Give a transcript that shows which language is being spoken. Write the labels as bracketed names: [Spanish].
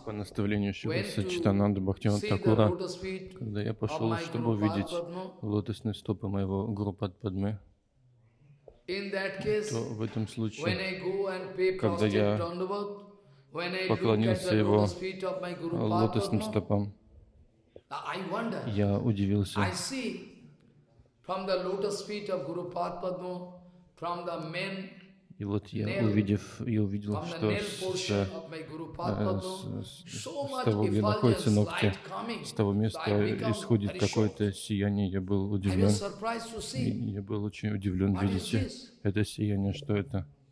[English] went to see the lotus feet of my [Russian] Гурупад Падмы, когда я пошел, чтобы увидеть лотосные стопы моего Гурупад Падмы, то в этом случае, когда я поклонился его лотосным стопам, я удивился. [English] I see from the lotus feet of Guru Padma, from the main nail. [Russian] И вот я увидев, я увидел, что с того, где находятся ногти, с того места исходит какое-то сияние. Я был удивлен. Я был очень удивлен. Видите, это сияние, что это?